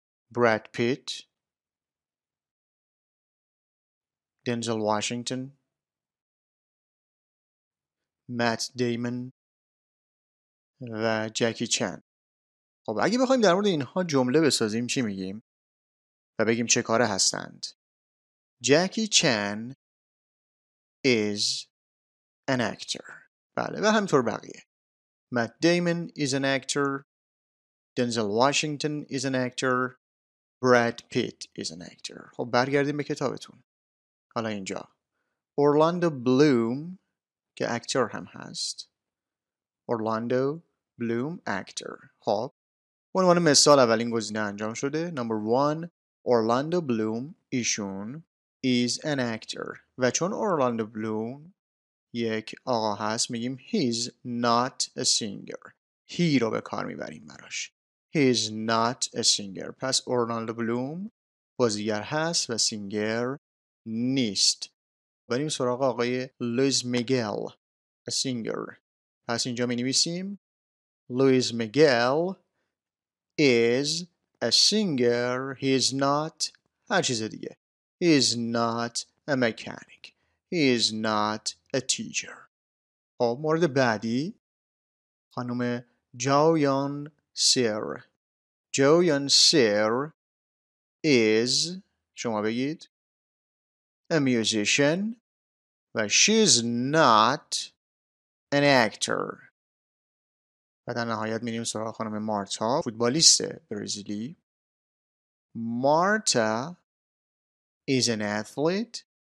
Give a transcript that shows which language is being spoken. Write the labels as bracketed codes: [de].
[fa] براد پیت، دنزل واشنگتن، مات دیمون و جکی چن. خب اگه بخوایم در مورد اینها جمله بسازیم چی میگیم و بگیم چه کاره هستند؟ جکی چن [en] is an actor. [fa] بله و همینطور بقیه. [en] Matt Damon is an actor. Denzel Washington is an actor. Brad Pitt is an actor. [fa] خب برگردیم به کتابتون. حالا اینجا اورلاندو بلوم که اکتر هم هست. اورلاندو بلوم اکتر. خب عنوان مثال اولین گزینه انجام شده. نمبر 1 اورلاندو بلوم ایشون [en] is an actor. [fa] و چون اورلاندو بلوم یک آقا هست میگیم [en] he's not a singer. [fa] he رو به کار میبریم براش. [en] he's not a singer. [fa] پس اورلاندو بلوم بازیگر هست و سینگر نیست. بریم سراغ آقای لویز میگل، [en] a singer. [fa] پس اینجا می نویسیم لویز میگل [en] is a singer. he is not [fa] هر چیز دیگه. [en] he is not a mechanic. he is not a teacher. [fa] خب مورد بعدی خانم جویان سیر. [en] جویان سیر is [fa] شما بگید [en] a musician و she's not an actor. [fa] و در نهایت میریم سراغ خانم مارتا، فوتبالیست برزیلی. [en] Marta is an athlete.